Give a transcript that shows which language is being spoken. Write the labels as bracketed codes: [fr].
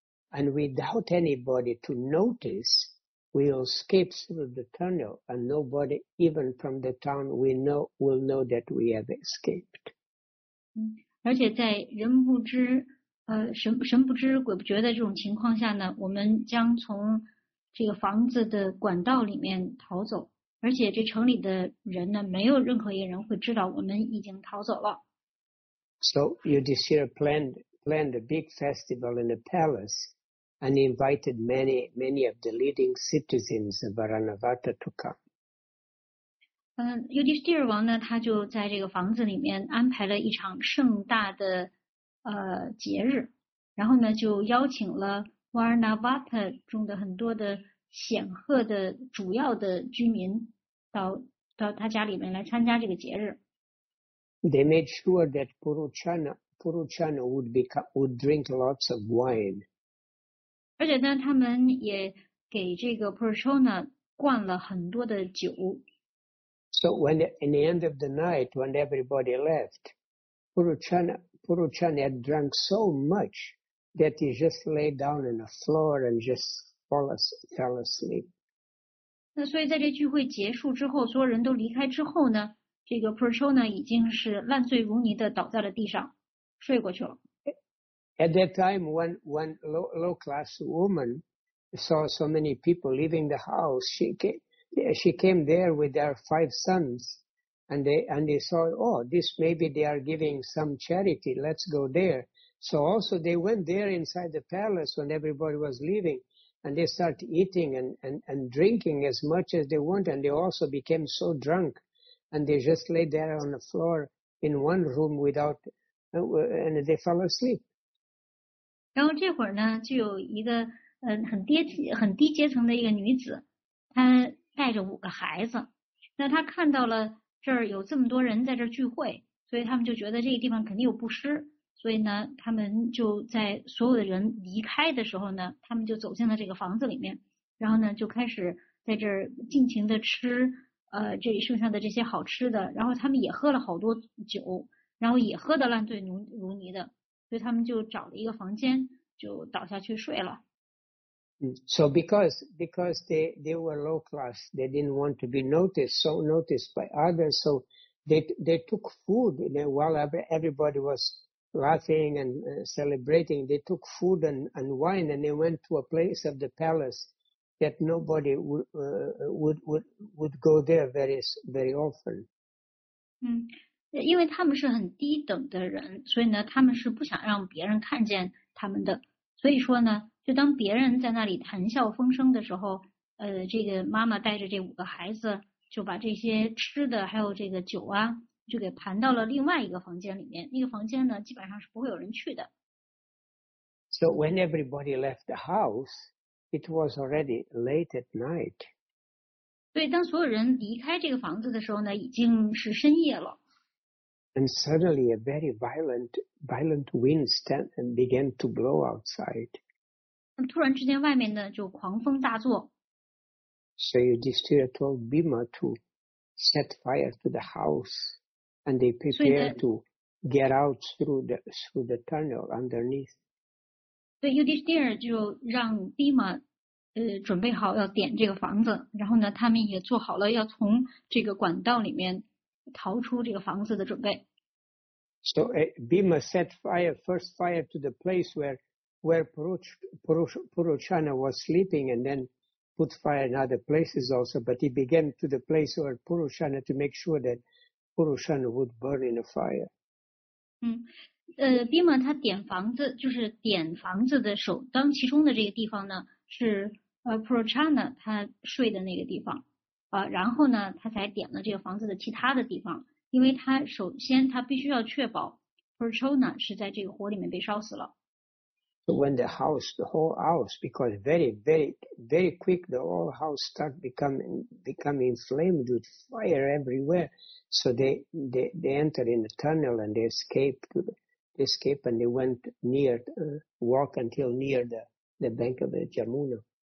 [en] And without anybody to notice, we'll escape through the tunnel and nobody even from the town we know will know that we have escaped. [zh] 而且在人不知神不知鬼不觉的这种情况下呢，我们将从这个房子的管道里面逃走，而且这城里的人呢没有任何一个人会知道我们已经逃走了。 [en] So Yudhisthira planned a big festival in the palace and invited many of the leading citizens of Varanavata to come. [zh] Yudhisthira 王呢，他就在这个房子里面安排了一场盛大的节日，然后呢就邀请了 Varanavata 中的很多的显赫的主要的居民到他家里面来参加这个节日。 [en] They made sure that Puruchana would drink lots of wine. [zh] 而且呢他们也给这个 Puruchana 灌了很多的酒。 [en] So when in the end of the night, when everybody left, Puruchana had drunk so much that he just lay down on the floor and just fell asleep. [zh] 那所以在这聚会结束之后，所有人都离开之后呢，这个 Puruchana 已经是烂醉如泥的倒在了地上睡过去了。 [en] At that time, one low-class woman saw so many people leaving the house. She came there with her five sons, and they saw, oh, this maybe they are giving some charity. Let's go there. So also they went there inside the palace when everybody was leaving, and they started eating and drinking as much as they want, and they also became so drunk, and they just lay there on the floor in one room without, and they fell asleep. [zh] 然后这会儿呢就有一个很低阶层的一个女子，她带着五个孩子，那她看到了这儿有这么多人在这儿聚会，所以他们就觉得这个地方肯定有布施，所以呢他们就在所有的人离开的时候呢，他们就走进了这个房子里面，然后呢就开始在这儿尽情的吃这里剩下的这些好吃的，然后他们也喝了好多酒，然后也喝得烂醉如泥的。所以他们就找了一个房间就倒下去睡了。 [en] So because they were low class, they didn't want to be noticed by others. So they took food, you know, while everybody was laughing and celebrating, they took food and wine, and they went to a place of the palace that nobody would go there very, very often. [zh] 因为他们是很低等的人，所以呢，他们是不想让别人看见他们的。所以说呢，就当别人在那里谈笑风生的时候，这个妈妈带着这五个孩子，就把这些吃的还有这个酒啊，就给盘到了另外一个房间里面。那个房间呢，基本上是不会有人去的。 [en] So when everybody left the house, it was already late at night. [zh] 对，当所有人离开这个房子的时候呢，已经是深夜了。 [en] And suddenly a very violent wind began to blow outside. [zh] 突然之间外面呢就狂风大作。 [en] So Yudhishthira told Bhima to set fire to the house and they prepared to get out through the tunnel underneath. [zh] 对， Yudhishthira 就让 Bhima 准备好要点这个房子，然后呢他们也做好了要从这个管道里面逃出这个房子的准备。 [en] So Bhima set first fire to the place where Purushana was sleeping, and then put fire in other places also. But he began to the place where Purushana to make sure that Purushana would burn in a fire. [zh] Bhima 他点房子，就是点房子的首当其冲的这个地方呢，是Purushana 他睡的那个地方。然后呢他才点了这个房子的其他的地方，因为他首先他必须要确保 Purushana 是在这个火里面被烧死了。 [en] When the whole house, because very, very, very quick, the whole house start becoming flamed with fire everywhere. So they entered in the tunnel and they escaped and they went walk until near the bank of the Jamuna.